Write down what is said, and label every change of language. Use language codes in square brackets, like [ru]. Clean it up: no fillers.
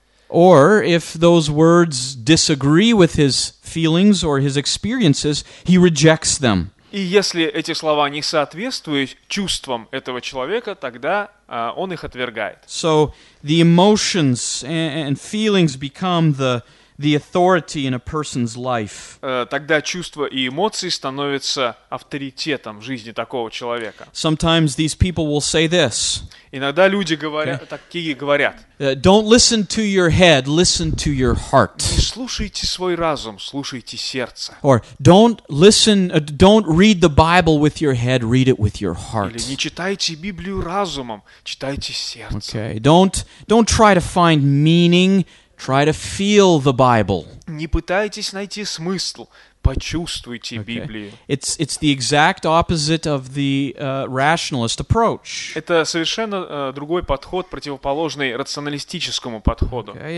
[en] Or if those words disagree with his feelings or his experiences, he rejects them. [ru] И если эти слова не соответствуют чувствам этого человека, тогда он их отвергает. [en] So the emotions and feelings become the authority in a person's life. [ru] Тогда чувства и эмоции становятся авторитетом в жизни такого человека. [en] Sometimes these people will say this. [ru] Иногда люди говорят, такие говорят. [en] Don't listen to your head, listen to your heart. [ru] Не слушайте свой разум, слушайте сердце. [en] Or don't read the Bible with your head, read it with your heart. [ru] Или не читайте Библию разумом, читайте сердцем. [en] Okay. Don't try to find meaning. Try to feel the Bible. [ru] Не пытайтесь найти смысл, почувствуйте Библию. [en] It's the exact opposite of the rationalist approach. [ru] Это совершенно другой подход, противоположный рационалистическому подходу.